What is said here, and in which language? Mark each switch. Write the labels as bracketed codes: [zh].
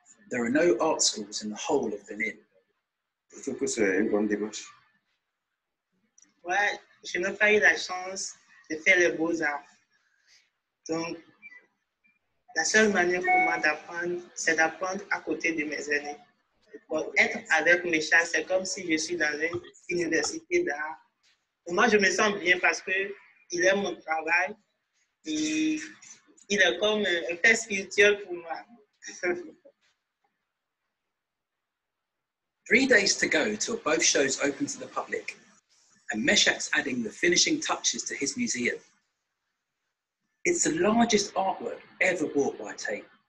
[en] There are no art schools in the whole of Benin. [fr] Je trouve que c'est une bonne démarche. Ouais, je n'ai pas eu la chance de faire les beaux-arts. Donc, la seule manière pour moi d'apprendre, c'est d'apprendre à côté de mes aînés. Pour être avec mes chats, c'est comme si je suis dans une université d'art. Et moi, je me sens bien parce qu'il aime mon travail et il est comme un père spirituel pour moi. [en] 3 days to go till both shows open to the public. And Meshack's adding the finishing touches to his museum. It's the largest artwork ever bought by Tate.